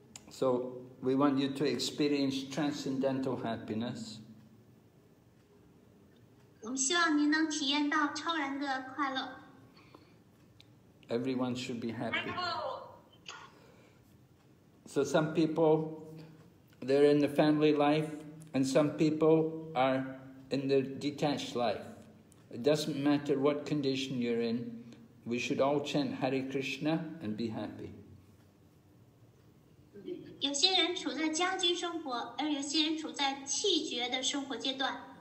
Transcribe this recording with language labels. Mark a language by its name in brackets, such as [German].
[English] So we want you to experience transcendental happiness. [Chinese] 我们希望您能体验到超然的快乐。 [English] Everyone should be happy. So some people, they're in the family life, and some people are in the detached life. It doesn't matter what condition you're in, we should all chant Hare Krishna and be happy. [Chinese] 有些人处在家居生活，而有些人处在气绝的生活阶段。